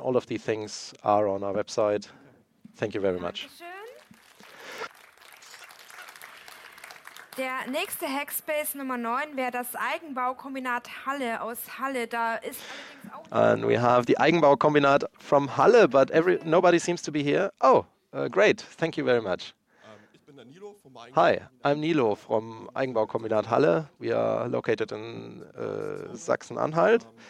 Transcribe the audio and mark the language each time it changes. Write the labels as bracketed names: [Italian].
[English] All of these things are on our website. Thank you very much. [German] Der nächste Hackspace Nummer 9 wäre das Eigenbaukombinat Halle aus Halle. Da ist [English] And we have the Eigenbaukombinat from Halle, but nobody seems to be here. Oh, great. Thank you very much. [German] Ich bin der Nilo vom [English] Hi, I'm Nilo from Eigenbaukombinat Halle. We are located in Sachsen-Anhalt.